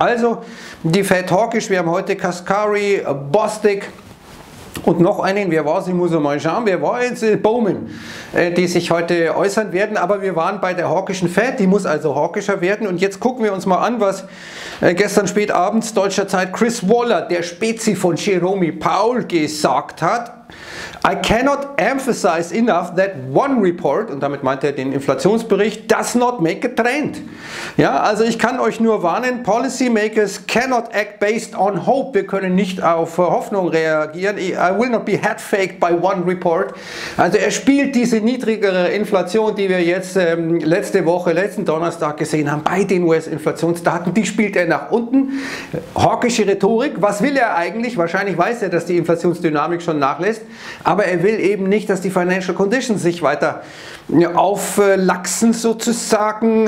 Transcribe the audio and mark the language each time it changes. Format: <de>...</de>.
<de>Also die Fed hawkisch, wir haben heute Kaskari, Bostic und noch einen, wer war sie, muss man mal schauen, wer war jetzt Bowman, die sich heute äußern werden, aber wir waren bei der hawkischen Fed, die muss also hawkischer werden und jetzt gucken wir uns mal an, was gestern spätabends deutscher Zeit Chris Waller, der Spezi von Jerome Powell, gesagt hat.</de> <en>I cannot emphasize enough that one report,</en> <de>und damit meint er den Inflationsbericht,</de> <en>does not make a trend.</en> <de>Ja, also ich kann euch nur warnen,</de> <en>policymakers cannot act based on hope.</en> <de>Wir können nicht auf Hoffnung reagieren.</de> <en>I will not be head faked by one report.</en> <de>Also er spielt diese niedrigere Inflation, die wir jetzt letzte Woche, letzten Donnerstag gesehen haben, bei den US-Inflationsdaten, die spielt er nach unten. Hawkische Rhetorik, was will er eigentlich? Wahrscheinlich weiß er, dass die Inflationsdynamik schon nachlässt. Aber er will eben nicht, dass die Financial Conditions sich weiter auflachsen sozusagen.</de>